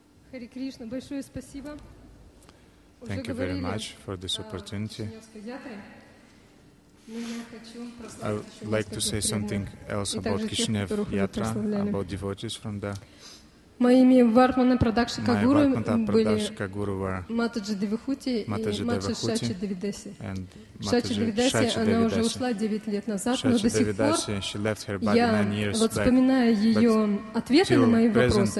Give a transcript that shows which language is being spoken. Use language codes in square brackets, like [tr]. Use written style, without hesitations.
[ru] Хари Кришна, большое спасибо. [en] Thank you very much for this opportunity. I would like to say something else about Kishinev Yatra, about devotees from the... [ru] Моими Вартмана Прадакши Кагуру были Матаджи Девихути и Матаджи Шачи Девидеси. Шачи Девидеси, она уже ушла 9 лет назад, но до сих пор я вспоминаю ее ответы на мои вопросы.